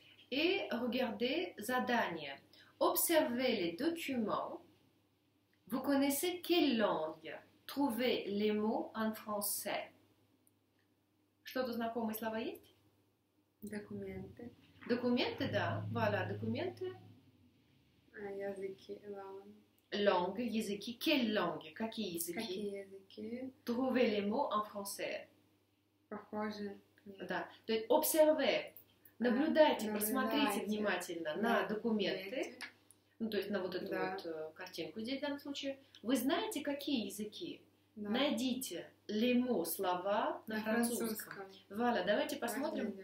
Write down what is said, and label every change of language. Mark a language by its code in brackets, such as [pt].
[fr] Et regardez задание. Observez les documents. Vous connaissez quelle langue? Trouvez les mots en français. [ru] Что-то знакомые слова есть? Документы. Документы, да. Voilà, документы. А языки, langue. Langue, языки. [fr] Quelle langue? [ru] Какие языки? Какие языки? [fr] Trouvez les mots en français. [ru] Похоже. Да. То есть, observez. Наблюдайте, посмотрите внимательно на документы. Ну, то есть на вот эту вот картинку здесь в данном случае. Вы знаете, какие языки? Да. Найдите [fr] les mots [ru] слова на французском. Валя, давайте посмотрим.